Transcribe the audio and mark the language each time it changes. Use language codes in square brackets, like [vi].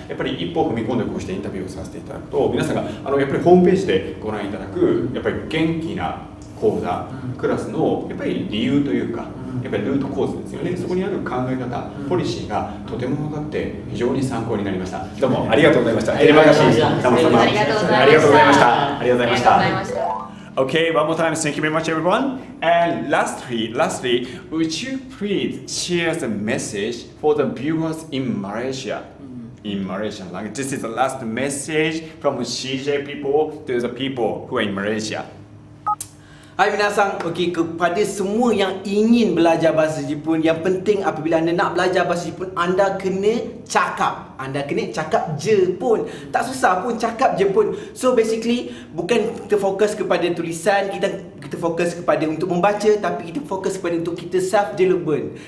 [ja] やっぱり一歩踏み込んでこうしてインタビューをさせていただくと、皆さんがあのやっぱりホームページでご覧いただく、やっぱり元気な講座クラスのやっぱり理由というか、やっぱりルート構図ですよね、そこにある考え方、ポリシーがとても分かって非常に参考になりました。どうもありがとうございました。エレバガシー、タモ様、ありがとうございました。ありがとうございました。 [en] Okay, one more time, thank you very much everyone. And lastly, would you please share the message for the viewers in Malaysia? In Malaysian language, this is the last message from CJ people to the people who are in Malaysia. [ms] Hai minasang, okey, kepada semua yang ingin belajar bahasa Jepun, yang penting apabila anda nak belajar bahasa Jepun, anda kena cakap. Anda kena cakap Jepun. Tak susah pun cakap Jepun. [en] So basically, [ms] bukan kita fokus kepada tulisan, kita fokus kepada untuk membaca, tapi kita fokus kepada untuk kita self-development.